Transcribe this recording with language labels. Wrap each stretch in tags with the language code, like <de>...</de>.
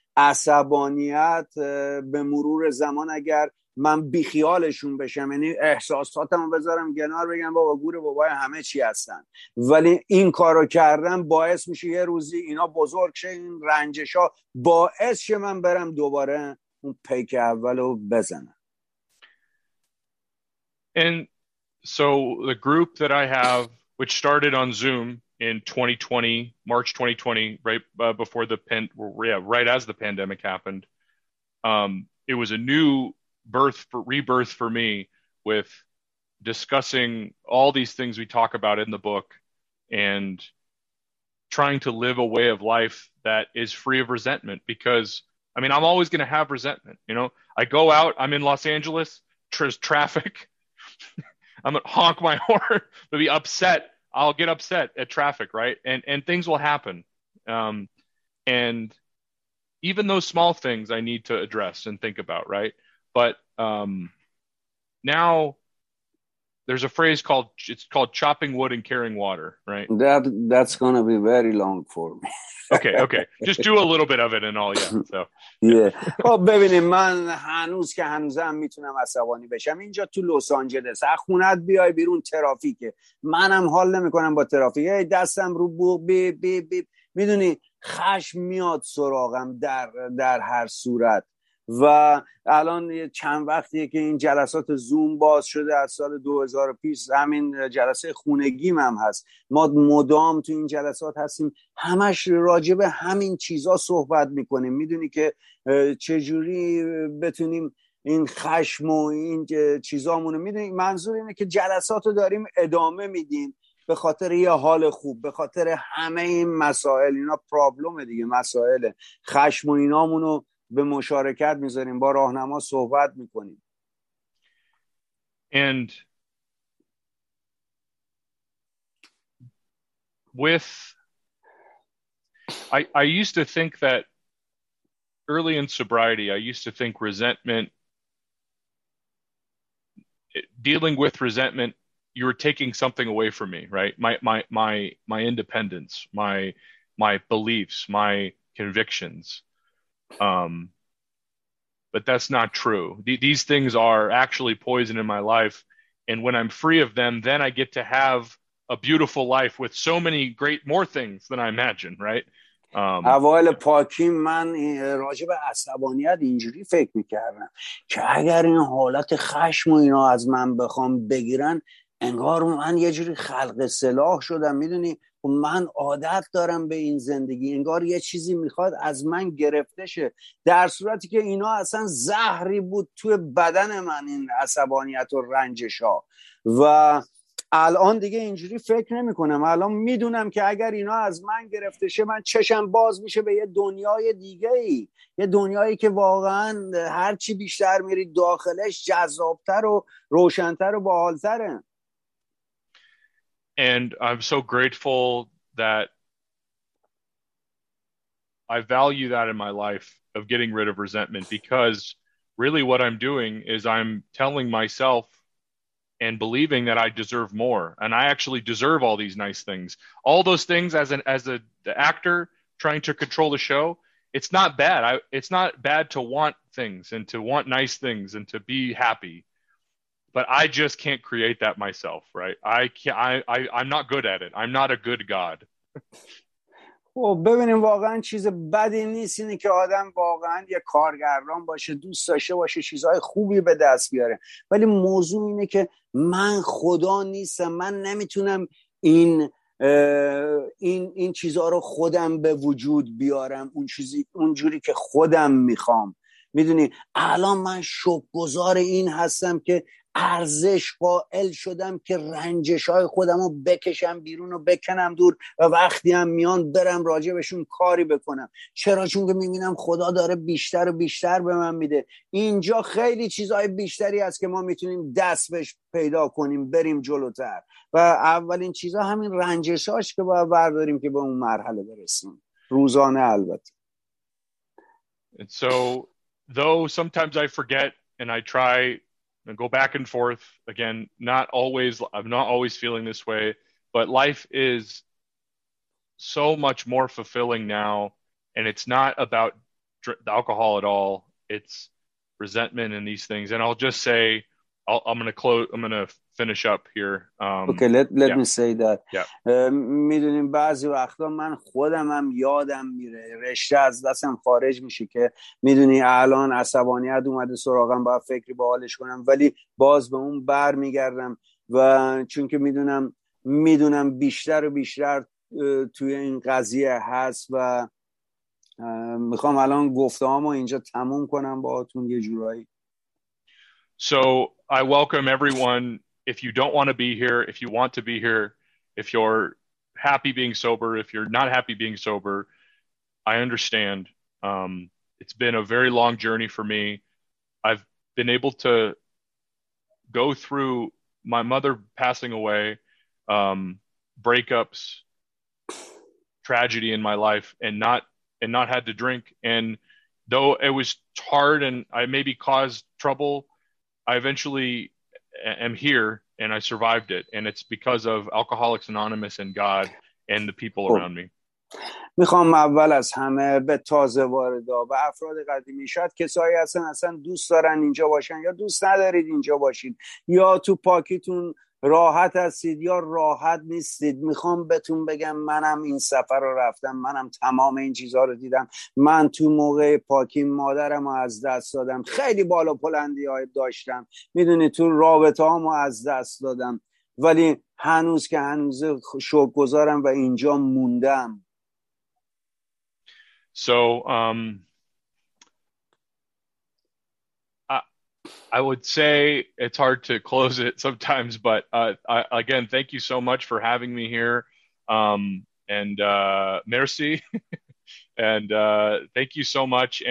<fa>عصبانیت به مرور زمان اگر من بیخیالشون بشم، یعنی احساساتم رو بذارم گنار، بگم بابا گور بابای همه چی هستن، ولی این کارو کردم باعث میشه یه روزی اینا بزرگ شه، این رنجشا باعث شه من برم دوباره اون پیک اولو بزنم.</fa> <en>So the group that I have, which started on Zoom in 2020, March 2020, right before the right as the pandemic happened, it was a new birth, rebirth for me, with discussing all these things we talk about in the book and trying to live a way of life that is free of resentment. Because, I mean, I'm always going to have resentment. You know, I go out, I'm in Los Angeles, traffic. I'm going to honk my horn, but be upset. I'll get upset at traffic, right? And things will happen. And even those small things I need to address and think about, right? But now there's a phrase called, it's called chopping wood and carrying water, right? That's going to be very long for me. Okay. Just do a little bit of it and all, yeah. So. Yeah.</en> <fa>خب ببینیم، من هنوز که هنوزم میتونم عصبانی بشم. اینجا تو لس آنجلس از خونت بیای بیرون ترافیکه، منم حال نمیکنم با ترافیک، دستم رو بوق بی بی بی، میدونی خشم میاد سراغم در هر صورت. و الان چند وقتیه که این جلسات زوم باز شده، از سال 2020 همین جلسه خونگیم هم هست، ما مدام تو این جلسات هستیم، همش راجب همین چیزا صحبت میکنیم. میدونی که چجوری بتونیم این خشم و این چیزامونو، میدونی منظور اینه که جلساتو داریم ادامه میدیم به خاطر یه حال خوب، به خاطر همه این مسائل، اینا پرابلمه دیگه، مسائله، خشم و اینامونو به مشارکت میذاریم، با راهنما صحبت میکنیم.</fa> <en>And with I used to think that early in sobriety, I used to think resentment, dealing with resentment, you were taking something away from me, right? My independence, my beliefs, my convictions. But that's not true. These things are actually poison in my life, And when I'm free of them, then I get to have a beautiful life with so many great more things than I imagine, right?</en> <fa>اوایل پاکیم من راجع به عصبانیت اینجوری فکر میکردم که اگر این حالت خشم و اینا از من بخوام بگیرن انگار من یه جوری خلق سلاح شدم، میدونی من عادت دارم به این زندگی، انگار یه چیزی میخواد از من گرفته شه، در صورتی که اینا اصلا زهری بود توی بدن من، این عصبانیت و رنجش ها. و الان دیگه اینجوری فکر نمی کنم، الان میدونم که اگر اینا از من گرفته شه من چشم باز میشه به یه دنیای دیگه ای، یه دنیایی که واقعا هرچی بیشتر میری داخلش جذابتر و روشنتر و باحالتره.</fa> <en>And I'm so grateful that I value that in my life of getting rid of resentment, because really what I'm doing is I'm telling myself and believing that I deserve more, and I actually deserve all these nice things. All those things as the actor trying to control the show, it's not bad. It's not bad to want things and to want nice things and to be happy. But I just can't create that myself, right? I'm not good at it. I'm not a good God.</en> <fa>خب ببینیم واقعا چیز بدی نیست اینه که آدم واقعا یه کارگران باشه، دوست داشته باشه، چیزهای خوبی به دست بیاره. ولی موضوع اینه که من خدا نیستم، من نمیتونم این چیزها رو خودم به وجود بیارم اونجوری که خودم میخوام. میدونی الان من شکرگزار این هستم که ارزش قائل شدم که رنجش های خودم رو بکشم بیرون و بکنم دور، و وقتی هم میان برم راجع بهشون کاری بکنم. چرا؟ چون که میبینم خدا داره بیشتر و بیشتر به من میده. اینجا خیلی چیزهای بیشتری هست که ما میتونیم دست بهش پیدا کنیم بریم جلوتر، و اولین چیزا همین رنجش هاش که باید برداریم که به اون مرحله برسیم روزانه. البته</fa> <en>though sometimes I forget and I try and go back and forth again, I'm not always feeling this way, but life is so much more fulfilling now, and it's not about the alcohol at all, it's resentment and these things. And I'm going to finish up here. Okay, let me say that. Yeah.</en> <fa>میدونیم بعضی وقتا من خودم هم یادم میره، رشته از دستم خارج میشه که میدونی الان عصبانیت اومده سراغم، باید فکری به حالش کنم، ولی باز به اون بر میگردم، و چون که میدونم بیشتر و بیشتر توی این قضیه هست، و میخوام الان گفته هامو اینجا تموم کنم با اتون یه جورایی.</fa> <en>So I welcome everyone. If you don't want to be here, if you want to be here, if you're happy being sober, if you're not happy being sober, I understand. It's been a very long journey for me. I've been able to go through my mother passing away, breakups, tragedy in my life, and not had to drink. And though it was hard and I maybe caused trouble, I eventually am here and I survived it, and it's because of Alcoholics Anonymous and God and the people around me.</en> <fa>میخوام اول از همه به تازه واردا و افراد قدیمی، شاید کسایی اصلا دوست دارن اینجا باشن یا دوست ندارید اینجا باشین، یا تو پاکیتون راحت هستید یا راحت نیستید، میخوام بهتون بگم منم این سفر رو رفتم، منم تمام این چیزها رو دیدم. من تو موقع پاکی مادرم رو از دست دادم، خیلی بالا پلندی های داشتم، میدونی تو رابطه هم رو از دست دادم، ولی هنوز که هنوز شکرگزارم و اینجا موندم.</fa> <en>So I would say it's hard to close it sometimes, but again, thank you so much for having me here. Merci. thank you so much.</en>